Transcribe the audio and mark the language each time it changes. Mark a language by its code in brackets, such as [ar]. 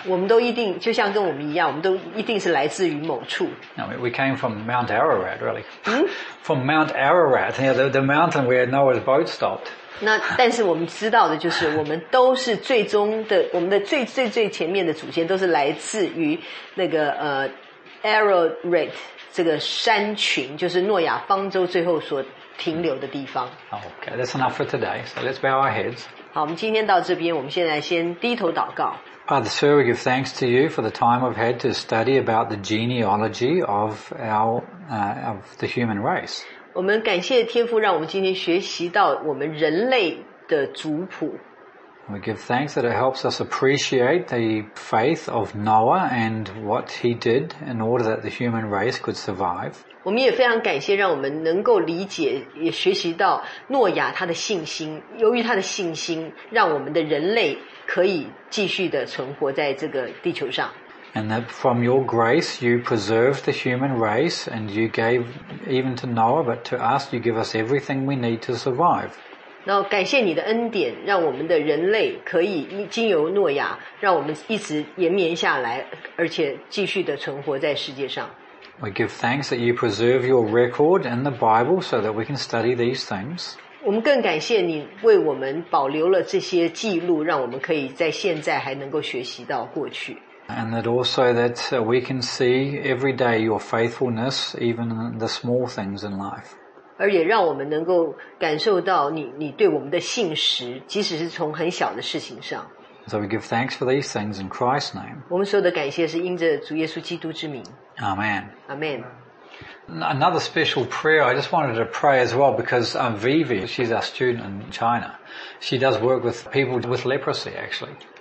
[zh] 我们都一定就像跟我们一样，我们都一定是来自于某处。 [en] No, we came from Mount Ararat, really. From Mount Ararat, you know, the mountain where Noah's boat stopped. [zh] 那但是我们知道的就是，我们都是最终的，我们的最最最前面的祖先都是来自于那个Ararat。这个山群就是诺亚方舟最后所停留的地方。 [en] Okay, that's enough for today. So let's bow our heads. [zh] 好，我们今天到这边，我们现在先低头祷告。 [en] Father, sir, we give thanks to you for the time we've had to study about the genealogy of of the human race. [zh] 我们感谢天父，让我们今天学习到我们人类的族谱。 [en] We give thanks that it helps us appreciate the faith of Noah and what he did in order that the human race could survive. [zh] 我们也非常感谢让我们能够理解也学习到诺亚他的信心，由于他的信心让我们的人类可以继续的存活在这个地球上。 [en] And that from your grace you preserved the human race and you gave even to Noah but to us you give us everything we need to survive. [zh] 然后感谢你的恩典，让我们的人类可以经由诺亚，让我们一直延绵下来，而且继续的存活在世界上。 [en] We give thanks that you preserve your record in the Bible so that we can study these things. [zh] 我们更感谢你为我们保留了这些记录，让我们可以在现在还能够学习到过去。 [en] And that also that we can see every day your faithfulness, even in the small things in life. [zh] 而也让我们能够感受到 你对我们的信实，即使是从很小的事情上。 [en] So we give thanks for these things in Christ's name. [zh] 我们所有的感谢是因着主耶稣基督之名。 [en] Amen. Amen. Another special prayer I just wanted to pray as well because Vivi, she's our student in China. She does work with people with leprosy actually.